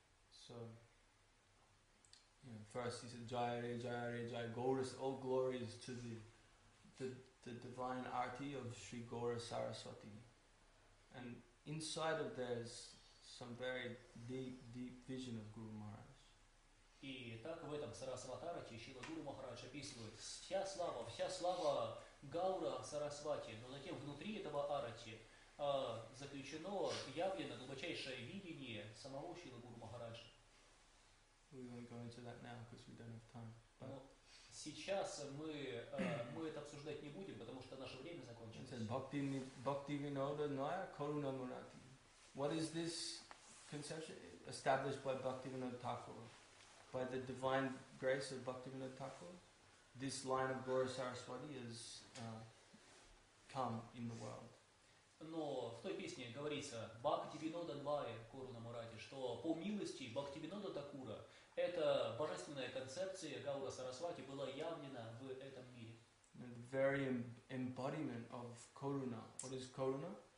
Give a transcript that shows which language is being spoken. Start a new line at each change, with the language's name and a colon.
English: So, you know, first he said
Bangla: Jai Re Jai Re Jai Gaura,
English: all glories to the divine arti of Sri Gaura Saraswati. And inside of there is some very deep vision of Guru Maharaj.
Russian: И так в этом Сарасватарате Шрила Гуру Махарадж описывает вся слава Гаура Сарасвати, но затем внутри этого арати заключено, явлено глубочайшее видение самого Шрила Гуру Махараджа.
English: We won't go into that now, because we don't have time.
Russian: Но сейчас мы это обсуждать не будем, потому что наше время закончилось.
Bangla: Bhakti Vinoda Naya Karuna Murati.
English: What is this conception established by Bhakti Vinoda Thakur? By the divine grace of Bhaktivinoda Thakur, this line of Gaura Saraswati has come in the world.
Russian: Но в той песне говорится
Bangla: Бхактивинода Двая Коруна Мурати,
Russian: что по милости Бхактивинода Такура эта божественная концепция Гаура Сарасвати была явлена в этом мире.
English: And the very embodiment of Коруна. What is Коруна?